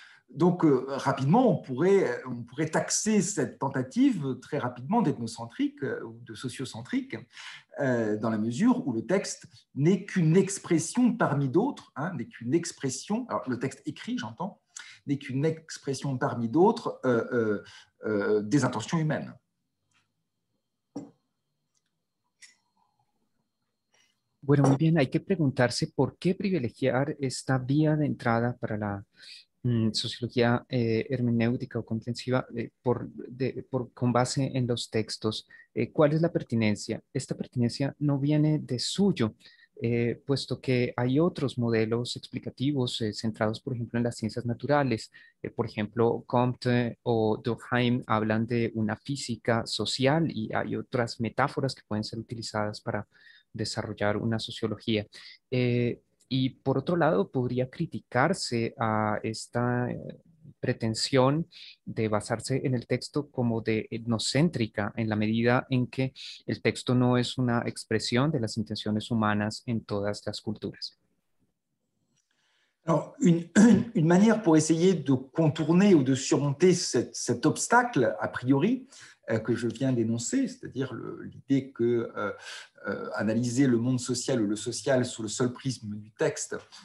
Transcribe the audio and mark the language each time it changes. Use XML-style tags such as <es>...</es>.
<fr>Donc, rapidement, on pourrait taxer cette tentative très rapidement d'ethnocentrique ou de sociocentrique, dans la mesure où le texte n'est qu'une expression parmi d'autres, hein, n'est qu'une expression, alors le texte écrit, j'entends, n'est qu'une expression parmi d'autres des intentions humaines.</fr> <es>Bueno, muy bien, hay que preguntarse por qué privilegiar esta vía de entrada para la sociología hermenéutica o comprensiva con base en los textos. ¿Cuál es la pertinencia? Esta pertinencia no viene de suyo, puesto que hay otros modelos explicativos centrados, por ejemplo, en las ciencias naturales. Por ejemplo, Comte o Durkheim hablan de una física social y hay otras metáforas que pueden ser utilizadas para desarrollar una sociología. Y por otro lado, podría criticarse a esta pretensión de basarse en el texto como de etnocéntrica, en la medida en que el texto no es una expresión de las intenciones humanas en todas las culturas.</es> <fr>Alors, une manière pour essayer de contourner ou de surmonter cet obstacle, a priori, que je viens d'énoncer, c'est-à-dire l'idée que analyser le monde social ou le social sous le seul prisme du texte,</fr>